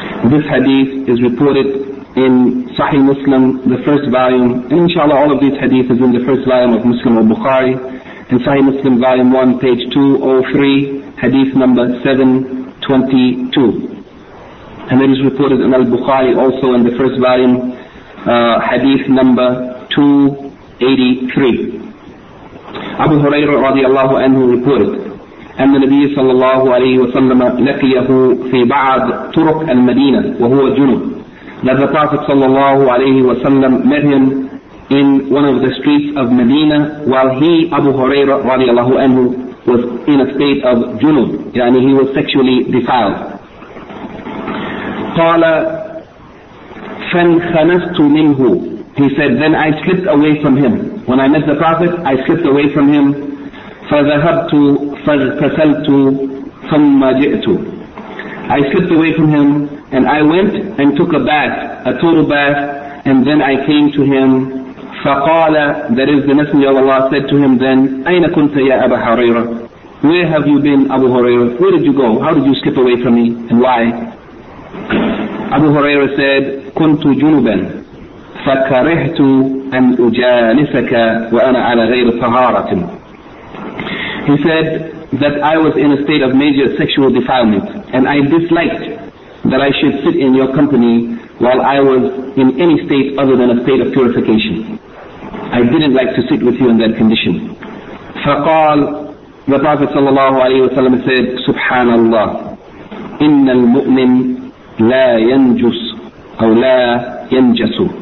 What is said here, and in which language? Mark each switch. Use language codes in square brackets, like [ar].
[en] This hadith is reported in Sahih Muslim, the first volume, and inshallah all of these hadith is in the first volume of Muslim al-Bukhari, in Sahih Muslim volume 1, page 203, hadith number 722. And it is reported in al-Bukhari also in the first volume, hadith number 283. Abu Hurairah radiallahu anhu reported, [ar] أن النبي صلى الله عليه وسلم لقيه في بعض طرق المدينة وهو جنب. [en] That the Prophet [ar] صلى الله عليه وسلم [en] met him in one of the streets of Medina while he, Abu Hurairah [ar] رضي الله عنه, [en] was in a state of junub, يعني he was sexually defiled. [ar] قال فانخنست منه, [en] he said, then I slipped away from him. When I met the Prophet, I slipped away from him. [ar] فذهبت فاغتسلت ثم جئت. [en] I slipped away from him and I went and took a bath, a total bath, and then I came to him. [ar] فقال, [en] that is, the Messenger of Allah said to him then, [ar] أين كنت يا أبا هريرة? [en] Where have you been, Abu Hurairah? Where did you go? How did you slip away from me and why? Abu Hurairah said, [ar] كنت جنبا فكرهت أن أجالسك وأنا على غير طهارة. [en] He said that I was in a state of major sexual defilement and I disliked that I should sit in your company while I was in any state other than a state of purification. I didn't like to sit with you in that condition. [ar] فقال, [en] the Prophet sallallahu alayhi wa sallam said, Subhanallah, [ar] إن المؤمن لا ينجس [en] أو لا ينجس.